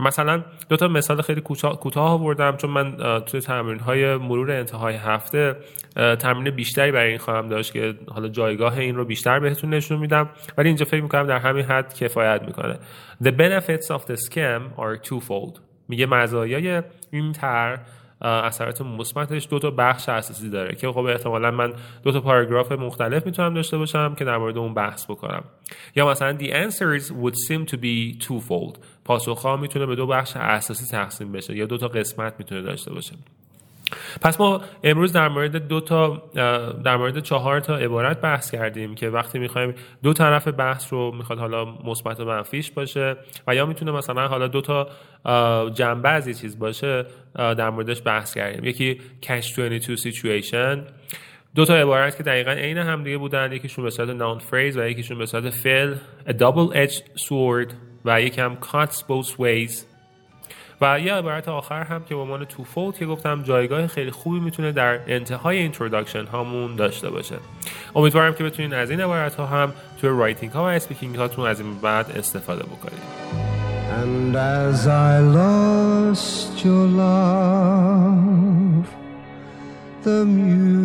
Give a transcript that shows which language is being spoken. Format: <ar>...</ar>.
<fa>مثلا دو تا مثال خیلی کوتاه آوردم چون من توی تمرین های مرور انتهای هفته تمرین بیشتری برای این خواهم داشت که حالا جایگاه این رو بیشتر بهتون نشون میدم، ولی اینجا فکر میکنم در همین حد کفایت میکنه.</fa> <en>The benefits of the scheme are twofold.</en> <fa>میگه مزایای این تر اثرات مثبتش دو تا بخش اساسی داره، که خب احتمالاً من دو تا پاراگراف مختلف میتونم داشته باشم که در مورد اون بحث بکنم. یا مثلا</fa> <en>the answers would seem to be twofold.</en> <fa>پاسخ ها میتونه به دو بخش اساسی تقسیم بشه یا دو تا قسمت میتونه داشته باشه. پس ما امروز در مورد چهار تا عبارت بحث کردیم که وقتی میخوایم دو طرف بحث رو میخواد حالا مثبت و منفیش باشه و یا میتونه مثلا حالا دو تا جنبه از یه چیز باشه در موردش بحث کردیم. یکی catch 22 situation، دو تا عبارت که دقیقا این هم دیگه بودن، یکیشون به صورت noun phrase و یکیشون به صورت fail،</fa> <en>a double edged sword</en> <fa>و یکی هم</fa> <en>cuts both ways،</en> <fa>و یه عبارت آخر هم که به عنوان تو فولد که گفتم جایگاه خیلی خوبی میتونه در انتهای اینتروداکشن هامون داشته باشه. امیدوارم که بتونین از این عبارت ها هم توی رایتینگ ها و اسپیکینگ هاتون از این بعد استفاده بکنید.</fa> <en>And as I lost your love, the music...</en>